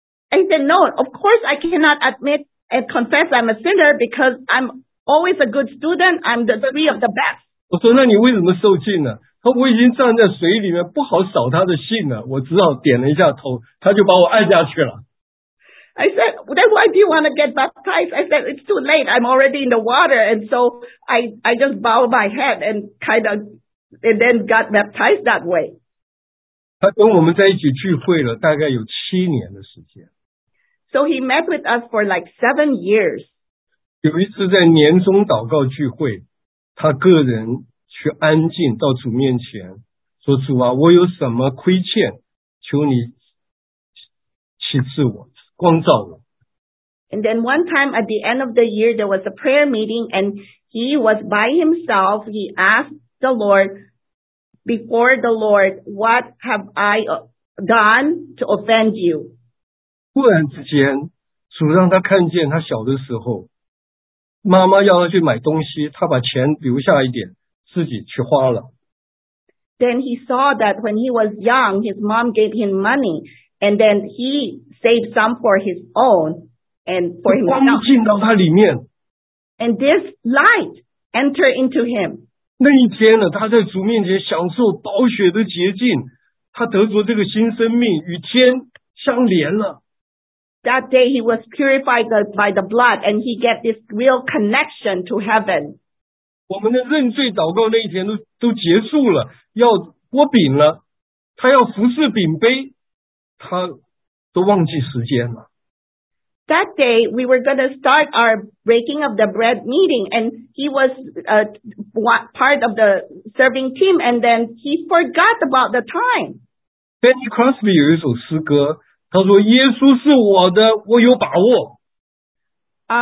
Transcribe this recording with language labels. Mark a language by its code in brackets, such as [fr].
[en] I said, no, of course I cannot admit and confess I'm a sinner because I'm always a good student. I'm the three of the best. [zh] 我说那你为什么受浸呢？他我已经站在水里面，不好扫他的兴了。我只好点了一下头，他就把我按下去了。 [en] I said, then why do you want to get baptized? I said, it's too late. I'm already in the water. And so I just bowed my head and kind of, and then got baptized that way. [zh] 他跟我们在一起聚会了大概有七年的时间。 [en] So he met with us for like 7 years. [zh] 有一次在年终祷告聚会，他个人去安静到主面前，说主啊，我有什么亏欠，求你启示我。 [en] And then one time at the end of the year, there was a prayer meeting and he was by himself. He asked the Lord, before the Lord, what have I done to offend you? [zh] 忽然之间，主让他看见他小的时候，妈妈要他去买东西，他把钱留下一点，自己去花了。 [en] Then he saw that when he was young, his mom gave him money. And then he saved some for his own and for himself. [zh] 光进到他里面。 [en] And this light entered into him. [zh] 那一天呢，他在主面前享受宝血的洁净，他得着这个新生命，与天相连了。 [en] That day he was purified by the blood and he get this real connection to heaven. [zh] 我们的认罪祷告那一天都结束了，要擘饼了，他要服侍饼杯。他都忘记时间了。 [en] That day, we were going to start our breaking of the bread meeting, and he was part of the serving team, and then he forgot about the time. [zh] Benny Crosby 有一首诗歌，他说：“耶稣是我的，我有把握。”